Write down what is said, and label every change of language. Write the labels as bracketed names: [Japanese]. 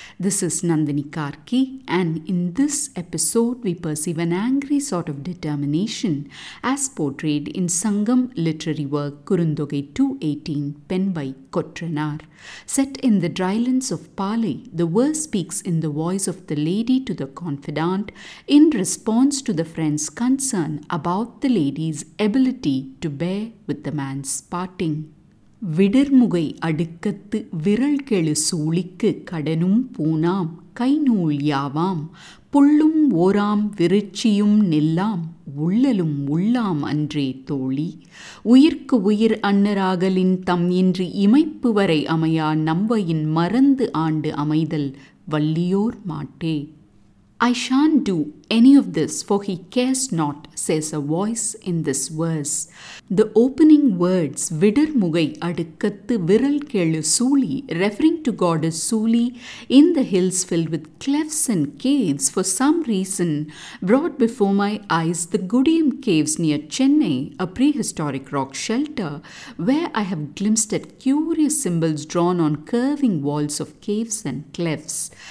[English] This is Nandini Karki, and in this episode we perceive an angry sort of determination as portrayed in Sangam literary work Kurundogai 218, penned by Kottranar. Set in the drylands of Pali, the verse speaks in the voice of the lady to the confidant in response to the friend's concern about the lady's ability to bear with the man's parting. [Tamil] விடர்முகை அடுக்கத்து விரல் கெழு சூழிக்கு கடனும் பூனாம் கைநூல் யாவாம் புள்ளும் ஓராம் விருச்சியும் நெல்லாம் உள்ளலும் உள்ளாம் அன்றே தோழி உயிர்க்கு உயிர் அன்னராகலின் தம் இன்று இமைப்பு வரை அமையா நம்பையின் மறந்து ஆண்டு அமைதல் வள்ளியோர் மாட்டே. [English] I shan't do any of this, for he cares not, says a voice in this verse. The opening words, [Tamil] Vidar Mugai Adukkattu Viral Kelu Sooli, [English] referring to goddess Sooli in the hills filled with clefts and caves, for some reason brought before my eyes the Gudiyam Caves near Chennai, a prehistoric rock shelter, where I have glimpsed at curious symbols drawn on curving walls of caves and clefts.